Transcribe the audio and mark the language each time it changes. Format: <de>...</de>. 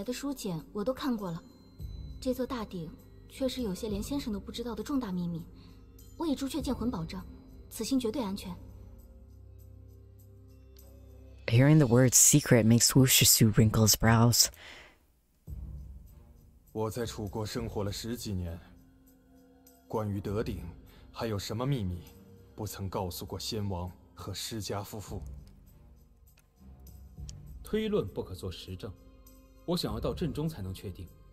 <zh>本来这件事我和少将公子也能做，有少君赐血一滴，风阵便够了。只不过有些事，我觉得亲眼看到比嘴上说更明白。哦，吴少君，吴相国，西子带来的书简我都看过了，这座大鼎。确实有些连先生都不知道的重大秘密，我已朱雀剑魂保证，此行绝对安全。</zh> <en>Hearing the word secret makes Wuxia wrinkle his brows.</en> <zh>我在楚国生活了十几年，关于德鼎还有什么秘密不曾告诉过先王和施家夫妇？推论不可做实证，我想要到阵中才能确定。</zh>